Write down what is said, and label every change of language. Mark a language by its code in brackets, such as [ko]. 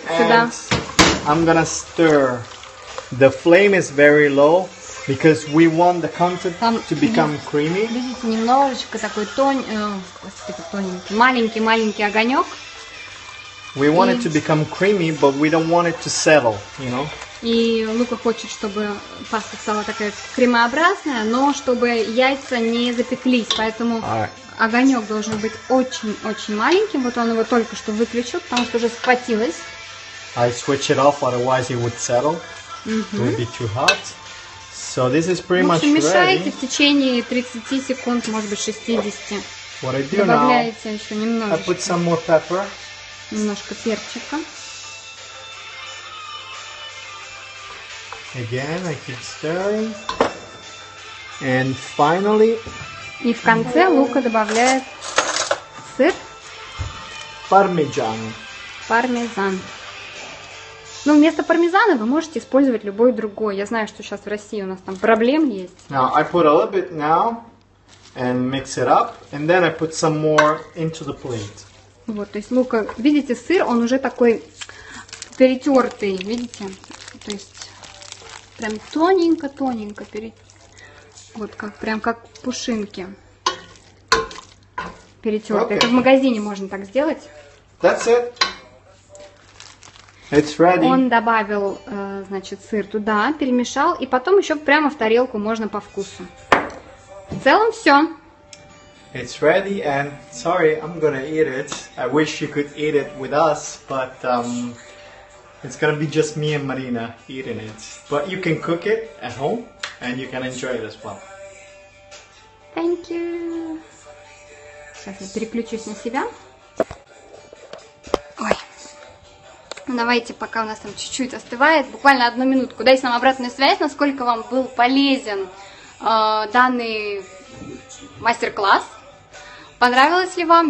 [ru] сюда. [en] I'm gonna stir. The flame is very low. Because we want the content to become creamy. [ru] Видите, немножечко такой тоненький, маленький-маленький огонек. [en] We want it to become creamy, but we don't want it to settle, you know? [ru] И Лука хочет, чтобы паста стала такая кремообразная, но чтобы яйца не запеклись. Поэтому огонек должен быть очень-очень маленьким. Вот он его только что выключил, потому что уже схватилось. [en] I switch it off, otherwise it would settle. It would be too hot. So this is pretty much ready. [ru] В общем, мешаете в течение 30 секунд, может быть 60. [en] What I do now, [ru] добавляете еще немножечко. [en] I put some more pepper. [ru] Немножко перчика. [en] Again, I keep stirring. And finally... [ru] И в конце Лука добавляет сыр. Пармезан. Пармезан. Ну, вместо пармезана вы можете использовать любой другой. Я знаю, что сейчас в России у нас там проблем есть. [en] Now, I put a little bit now and mix it up. And then I put some more into the plate. [ru] Вот, то есть Лука... Видите, сыр, он уже такой перетертый, видите? То есть... Прям тоненько-тоненько вот как прям как пушинки перетертые. Okay. Это в магазине можно так сделать. [en] That's it. It's ready. [ru] Он добавил, значит, сыр туда, перемешал, и потом еще прямо в тарелку можно по вкусу. В целом все. [en] It's ready, and sorry, I'm gonna eat it. I wish you could eat it with us, but it's gonna be just me and Marina eating it. But you can cook it at home and you can enjoy it as well. Thank you. [ru] Сейчас я переключусь на себя. Ой. Ну давайте, пока у нас там чуть-чуть остывает, буквально одну минутку. Дайте нам обратную связь, насколько вам был полезен данный мастер-класс. Понравилось ли вам?